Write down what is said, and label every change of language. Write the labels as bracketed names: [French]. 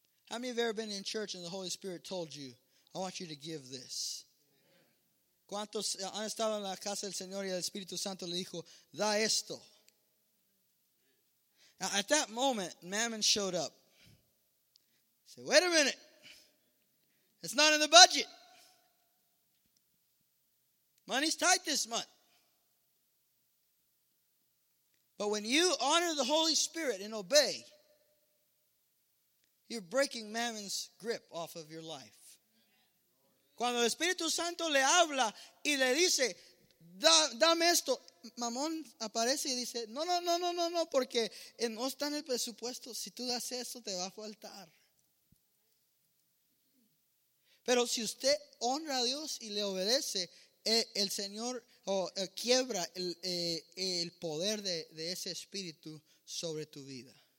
[English] How many have ever been in church and the Holy Spirit told you, I want you to give this? [Spanish] ¿Cuántos han estado en la casa del Señor y el Espíritu Santo le dijo, da esto? [English] Now, at that moment, mammon showed up. Say, wait a minute. It's not in the budget. Money's tight this month. But when you honor the Holy Spirit and obey, you're breaking mammon's grip off of your life. [Spanish] Cuando el Espíritu Santo le habla y le dice, dame esto, mamón aparece y dice, no, porque no está en el presupuesto. Si tú das eso, te va a faltar. Pero si usted honra a Dios y le obedece, el Señor quiebra el poder de ese espíritu sobre tu vida.